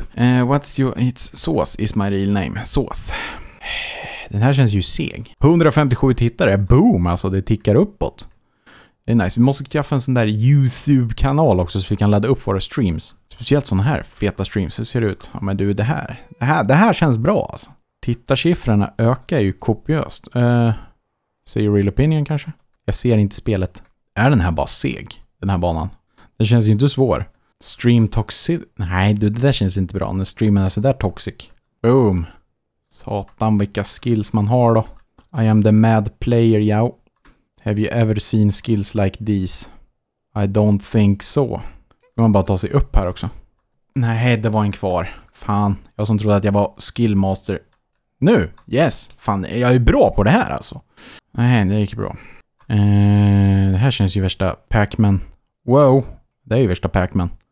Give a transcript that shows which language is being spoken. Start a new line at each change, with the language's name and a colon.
English: it's sauce is my real name.
Swedish: Sauce. Den här känns ju seg. 157 tittare. Boom, alltså det tickar uppåt. Det är nice. Vi måste skaffa en sån där YouTube-kanal också så vi kan ladda upp våra streams. Speciellt såna här feta streams. Hur ser det ut? Ja, men du, det här känns bra alltså. Tittarsiffrorna ökar ju kopiöst.
English: Say your real opinion
Swedish: kanske? Jag ser inte spelet. Är den här bara seg? Den här banan. Den känns ju inte svår.
English: Stream toxic.
Swedish: Nej, du, det där känns inte bra. När streamen är så där toxic. Boom. Satan, vilka skills man har då.
English: I am the mad player, yo. Have you ever seen skills like these? I don't think so.
Swedish: Kan man bara ta sig upp här också? Nej, det var en kvar. Fan, jag som trodde att jag var skillmaster. Nu, yes, fan, jag är bra på det här alltså. Nej, det gick bra. Det här känns ju värsta Pac-Man. Wow, det är ju värsta Pac-Man.